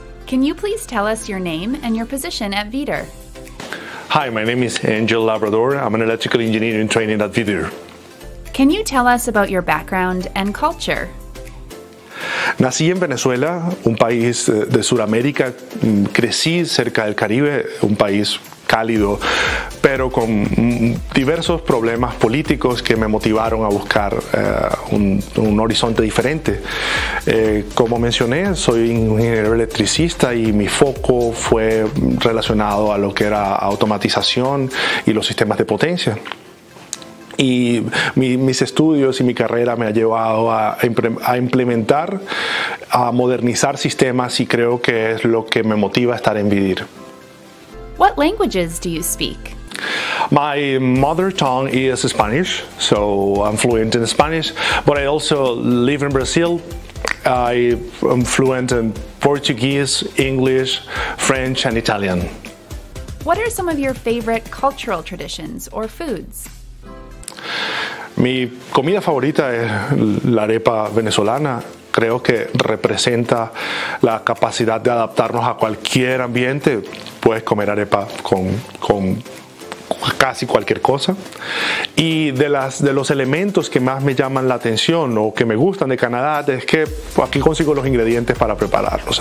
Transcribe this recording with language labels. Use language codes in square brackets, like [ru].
[en] Can you please tell us your name and your position at Vidir? Hi, my name is Angel Labrador. I'm an electrical engineer in training at Vidir. Can you tell us about your background and culture? [es] Nací en Venezuela, un país de Sudamérica. Crecí cerca del Caribe, un país cálido, pero con diversos problemas políticos que me motivaron a buscar un horizonte diferente. Como mencioné, soy ingeniero electricista y mi foco fue relacionado a lo que era automatización y los sistemas de potencia. Y mis estudios y mi carrera me ha llevado a implementar, a modernizar sistemas y creo que es lo que me motiva a estar en Vidir. [en] What languages do you speak? My mother tongue is Spanish, so I'm fluent in Spanish, but I also live in Brazil. I am fluent in Portuguese, English, French, and Italian. What are some of your favorite cultural traditions or foods? [es] Mi comida favorita es la arepa venezolana. Creo que representa la capacidad de adaptarnos a cualquier ambiente. Puedes comer arepa con casi cualquier cosa. Y de los elementos que más me llaman la atención o que me gustan de Canadá es que aquí consigo los ingredientes para prepararlos.